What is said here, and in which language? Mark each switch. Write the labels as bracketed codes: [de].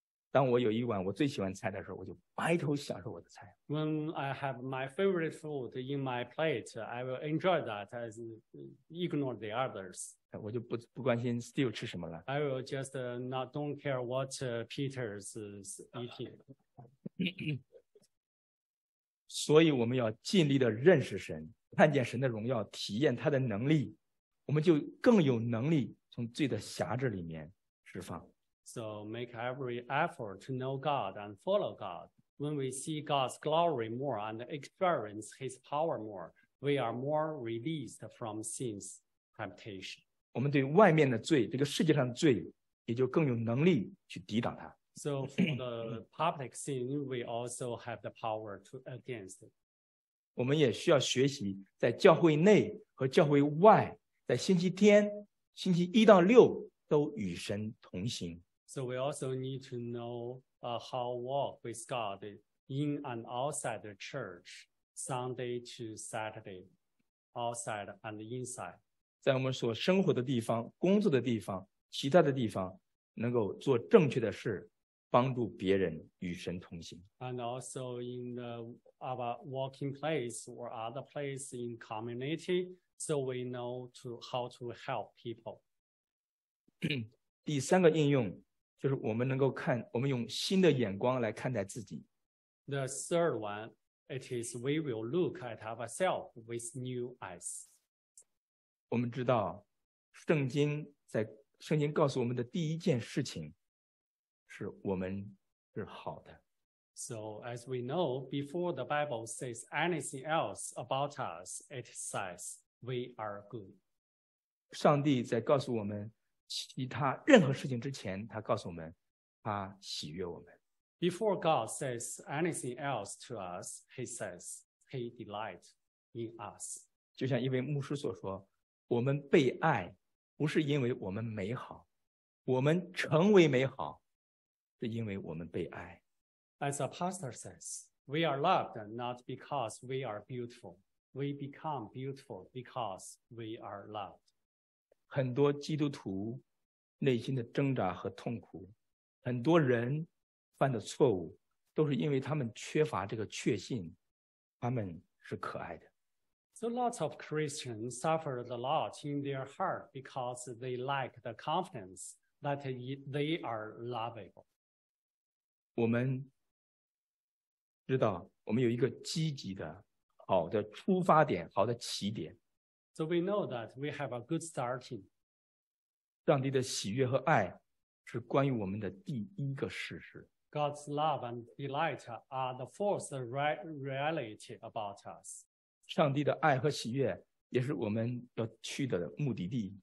[zh] 当我有一碗我最喜欢菜的时候，我就埋头享受我的菜。 [en] When I have my favorite food in my plate, I will enjoy that as ignore the others. [zh] 我就 不关心 Steve 吃什么了。 [en] I will just not don't care what Peter is eating. [zh] 所以我们要尽力的认识神，看见神的荣耀，体验他的能力。我们就更有能力从罪的辖制里面释放。 [en] So make every effort to know God and follow God. When we see God's glory more and experience His power more, we are more released from sin's temptation. [zh] 我们对外面的罪，这个世界上的罪，也就更有能力去抵挡它。 [en] So for the public sin, we also have the power to against it. [zh] 我们也需要学习在教会内和教会外。在星期天星期一到六都与神同行。 [en] So we also need to know how to walk with God in and outside the church, Sunday to Saturday, outside and inside. [zh] 在我们所生活的地方，工作的地方，其他的地方，能够做正确的事，帮助别人与神同行。 [en] And also in the, our working place or other place in community,So we know to how to help people. [zh] 第三个应用就是我们能够看，我们用新的眼光来看待自己。 [en] The third one, it is we will look at ourselves with new eyes. [zh] 我们知道，圣经告诉我们的第一件事情是我们是好的。 [en] So as we know, before the Bible says anything else about us, it says. We are good. [zh] 上帝在告诉我们其他任何事情之前，他告诉我们他喜悦我们。 [en] Before God says anything else to us, He says He delights in us. [zh] 就像一位牧师所说，我们被爱不是因为我们美好，我们成为美好是因为我们被爱。 [en] As a pastor says, we are loved not because we are beautiful. We become beautiful because we are loved. [zh] 很多基督徒内心的挣扎和痛苦，很多人犯的错误，都是因为他们缺乏这个确信，他们是可爱的。 [en] So lots of Christians suffered a lot in their heart because they lack the confidence that they are lovable. [zh] 我们知道，我们有一个积极的好的出发点，好的起点。 [en] So we know that we have a good starting. [zh] 上帝的喜悦和爱是关于我们的第一个事实。 [en] God's love and delight are the first reality about us. [zh] 上帝的爱和喜悦也是我们要去的目的地。